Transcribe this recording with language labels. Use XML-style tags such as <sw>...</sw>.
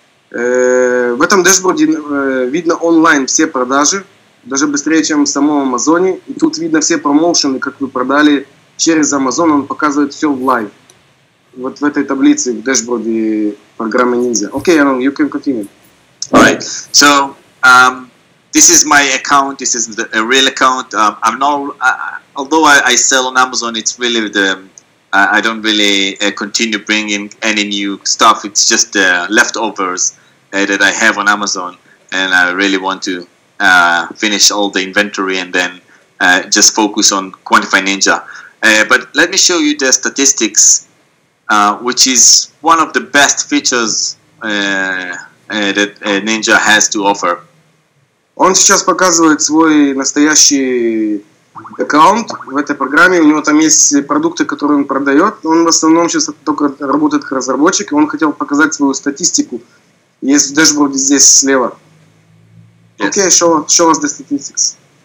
<ru>В этом дэшборде видно онлайн все продажи, даже быстрее, чем в самом Амазоне. И тут видно все промоушены, как вы продали через Амазон, он показывает все в лайв. Вот в этой таблице, в дэшборде программы Ninja.</ru> <en>Окей, Aaron, you can continue. Alright, so this is my account, this is a real account. Although I sell on Amazon, it's really the... I don't really continue bringing any new stuff. It's just the leftovers that I have on Amazon, and I really want to finish all the inventory and then just focus on Quantify Ninja. But let me show you the statistics, which is one of the best features that Ninja has to offer.</en> <ru>Он сейчас показывает свой настоящий аккаунт в этой программе, у него там есть продукты, которые он продает. Он в основном сейчас только работает как разработчик, и он хотел показать свою статистику. Есть в дэшборде здесь слева.</ru> <en>Окей, show us the statistics.</en>